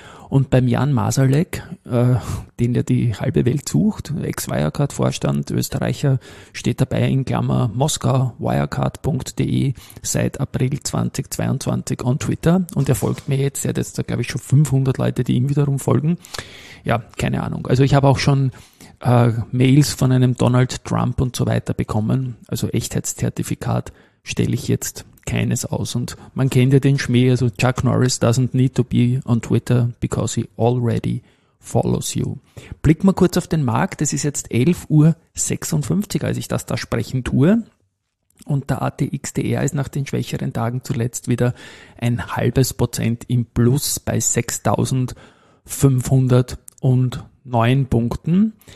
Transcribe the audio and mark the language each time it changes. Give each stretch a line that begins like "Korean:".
German: Und beim Jan Masalek, den ja die halbe Welt sucht, Ex-Wirecard-Vorstand, Österreicher, steht dabei in Klammer Moskau, wirecard.de, seit April 2022 on Twitter. Und er folgt mir jetzt, er hat jetzt da glaube ich schon 500 Leute, die ihm wiederum folgen. Ja, keine Ahnung. Also ich habe auch schon Mails von einem Donald Trump und so weiter bekommen. Also Echtheitszertifikat stelle ich jetzt keines aus. Und man kennt ja den Schmäh, also
English: Chuck Norris doesn't need to be on Twitter, because he already follows you.
German: Blick mal kurz auf den Markt. Es ist jetzt 11.56 Uhr, als ich das da sprechen tue. Und der ATX-DR ist nach den schwächeren Tagen zuletzt wieder ein halbes Prozent im Plus bei 6.509 Punkten.